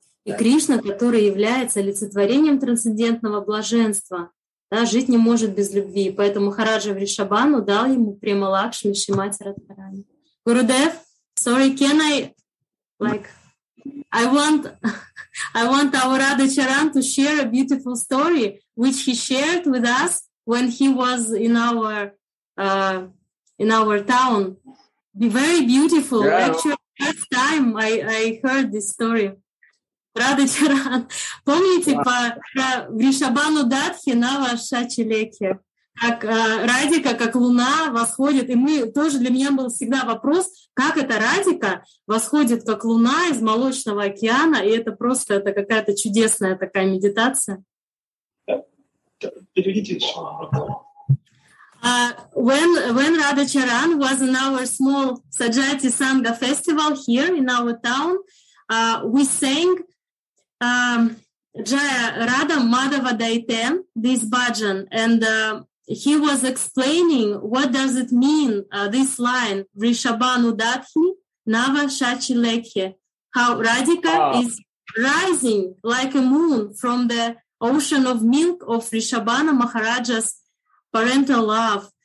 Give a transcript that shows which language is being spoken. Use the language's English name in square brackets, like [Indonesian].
[Russian] И Кришна, который является олицетворением трансцендентного блаженства, да, жить не может без любви. Поэтому Махараджа Вришабану дал ему Према Лакшми, Шримати Радхарани. [English] Гурудев, sorry, can I, like, I want our Radha Charan to share a beautiful story which he shared with us when he was in our town. Very beautiful. Yeah. Actually, first time I heard this story. Radha Charan. [Russian] Помните про Вришабану Датхи на ваша челеке? Как Радика, как луна восходит. И мы тоже, для меня был всегда вопрос, как эта Радика восходит, как луна из молочного океана, и это просто это какая-то чудесная такая медитация. [English] When Radha Charan was in our small Sajati Sangha festival here in our town, we sang Jaya Radha Madhava Daite, this bhajan, and he was explaining what does it mean, this line, Vrishabhanu Dathni Nava Shachi Lekhe, how Radhika is rising like a moon from the ocean of milk of Vrishabhana Maharaja's parental love.